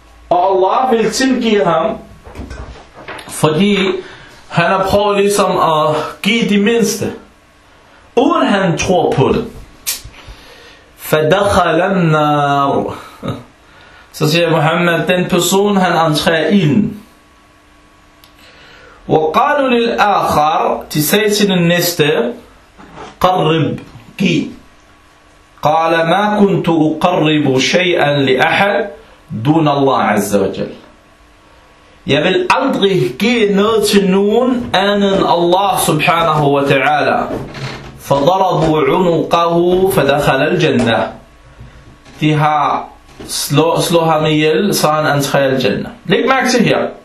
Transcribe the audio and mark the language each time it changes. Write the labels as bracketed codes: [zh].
[da] Og Allah vil tilgive ham, fordi han har prøvet ligesom at give de mindste, uden han tror på det. [ar] فَدَخَلَ النَّارُ. [da] Så siger Muhammad, den person han entrer ind. [ar] وَقَالُوا لِلْآخَرِ. [da] De sagde til den næste, [ar] قَرِّبْ. [da] Giv. [ar] قال ما كنت أقرب شيئا لأحد دون الله عز وجل. [da] Jeg vil aldrig give noget til nogen anden Allah subhanahu wa ta'ala. [ar] فضربوا عنقه فدخل الجنة. [da] De har slået ham ihjel, så han entrer al-jannah. Læg mærke til her.